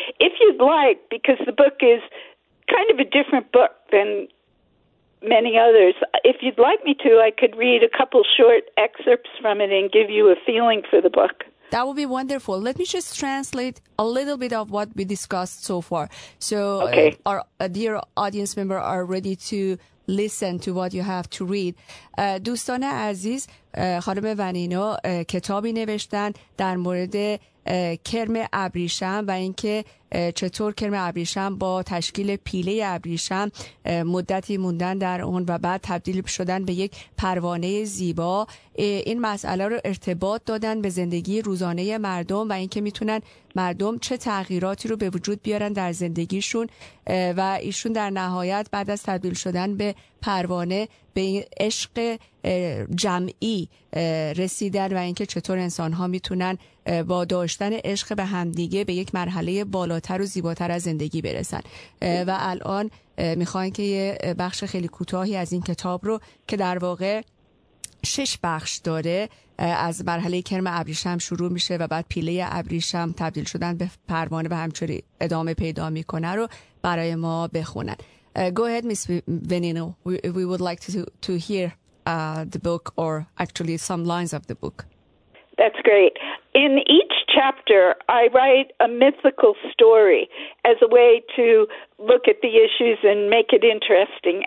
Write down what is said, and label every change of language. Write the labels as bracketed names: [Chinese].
[English] If you'd like, because the book is kind of a different book than many others, if you'd like me to, I could read a couple short excerpts from it and give you a feeling for the book. That would be wonderful. Let me just translate a little bit of what we discussed so far. So okay. Our dear audience member are ready to listen to what you have to read. [Persian] دوستان عزیز خانم ونینا کتابی نوشتن در مورد کرم ابریشم و اینکه چطور کرم ابریشم با تشکیل پیله ابریشم مدتی موندن در اون و بعد تبدیل شدن به یک پروانه زیبا این مسئله رو ارتباط دادن به زندگی روزانه مردم و اینکه میتونن مردم چه تغییراتی رو به وجود بیارن در زندگیشون و ایشون در نهایت بعد از تبدیل شدن به پروانه به عشق جمعی رسیدن و اینکه چطور انسان‌ها میتونن با داشتن عشق به همدیگه به یک مرحله بالاتر و زیباتر از زندگی برسن و الان میخوان که یه بخش خیلی کوتاهی از این کتاب رو که در واقع شش بخش داره از مرحله کرم ابریشم شروع میشه و بعد پیله ابریشم تبدیل شدن به پروانه و همچنین ادامه پیدا میکنه رو برای ما بخونن. [English] Go ahead, Miss Venino. We would like to hear the book, or actually some lines of the book. That's great. In each chapter, I write a mythical story as a way to look at the issues and make it interesting.